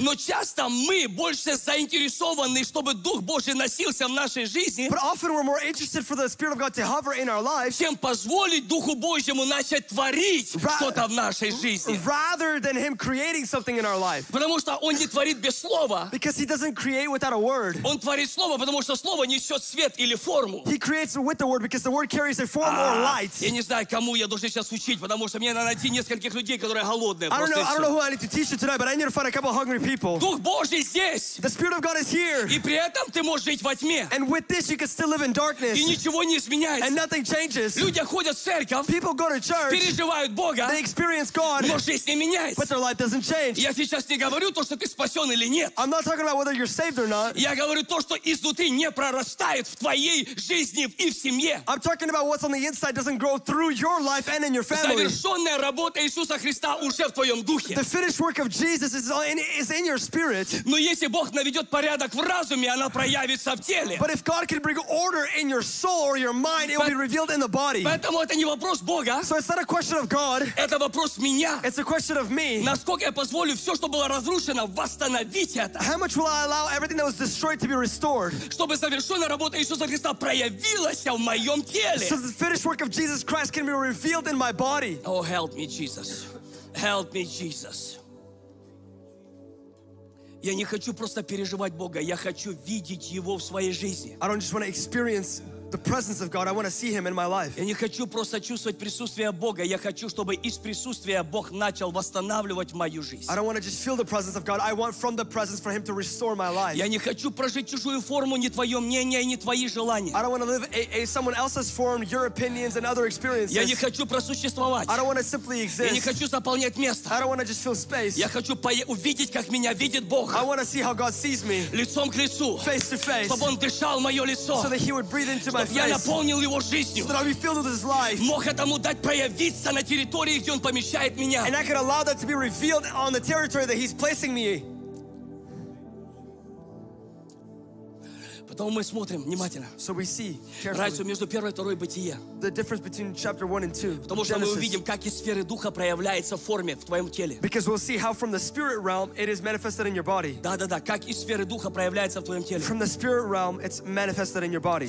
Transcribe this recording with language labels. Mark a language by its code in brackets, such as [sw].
[ru] Но часто мы больше заинтересованы, чтобы Дух Божий носился в нашей жизни, [en] but often we're more interested for the Spirit of God to hover in our lives, [ru] чем позволить Духу Божьему начать творить что-то в нашей. [en] Rather than him creating something in our life. [ru] Потому что он не творит без слова. [en] Because he doesn't create without a word. [ru] Он творит слово, потому что слово несет свет или форму. [en] He creates with the word because the word carries a form or light. [ru] Я не знаю, кому я должен сейчас учить, потому что мне надо найти нескольких людей, которые голодные. [en] I don't know who I need to teach you tonight, but I need to find a couple of hungry people. [ru] Дух Божий здесь. [en] The Spirit of God is here. [ru] И при этом ты можешь жить во тьме. [en] And with this you can still live in darkness. [ru] И ничего не изменяется. [en] And nothing changes. [ru] Люди ходят в церковь. [en] People go to church. [ru] Переживают Бога. [en] They experience God. God. [ru] Но жизнь не меняется. [en] But their life doesn't change. [ru] Я сейчас не говорю то, что ты спасен или нет. [en] I'm not talking about whether you're saved or not. [ru] Я говорю то, что изнутри не прорастает в твоей жизни и в семье. [en] I'm talking about what's on the inside doesn't grow through your life and in your family. [ru] Завершенная работа Иисуса Христа уже в твоем духе. [en] The finished work of Jesus is in your spirit. [ru] Но если Бог наведет порядок в разуме, она проявится в теле. [en] But if God can bring order in your soul or your mind, it will be revealed in the body. [ru] Поэтому это не вопрос Бога. [en] So it's not a question of God. [ru] Это вопрос меня. [en] It's a question of me. [ru] Насколько я позволю все, что было разрушено, восстановить это. [en] How much will I allow everything that was destroyed to be restored? [ru] Чтобы завершенная работа Иисуса Христа проявилась в моем теле. [en] So the finished work of Jesus Christ can be revealed in my body. Oh, help me, Jesus. Help me, Jesus. [ru] Я не хочу просто переживать Бога. Я хочу видеть Его в своей жизни. [en] I don't just want to experience the presence of God. I want to see Him in my life. [ru] Я не хочу просто чувствовать присутствие Бога. Я хочу, чтобы из присутствия Бог начал восстанавливать мою жизнь. [en] I don't want to just feel the presence of God. I want from the presence for Him to restore my life. [ru] Я не хочу прожить чужую форму, не твое мнение и не твои желания. [en] I don't want to live a someone else's form, your opinions and other experiences. [ru] Я не хочу просуществовать. [en] I don't want to simply exist. [ru] Я не хочу заполнять место. [en] I don't want to just fill space. [ru] Я хочу увидеть, как меня видит Бог. [en] I want to see how God sees me. [ru] Лицом к лицу. [en] Face to face. [ru] Чтобы Он дышал в мое лицо. [en] So that He would breathe into my [ru] чтобы я наполнил его жизнью, [en] so that I'll be filled with his life. [ru] Мог этому дать проявиться на территории, где он помещает меня. [en] And I could allow that to be revealed on the territory that he's placing me. [ru] Потом мы смотрим внимательно. [en] So we see carefully. [ru] Разницу между первой и второй бытия. [en] The difference between chapter 1 and 2. [ru] Потому что мы увидим, как из сферы духа проявляется в форме в твоем теле. [en] Because we'll see how from the spirit realm it is manifested in your body. [ru] Да-да-да, как из сферы духа проявляется в твоем теле. [en] From the spirit realm it's manifested in your body.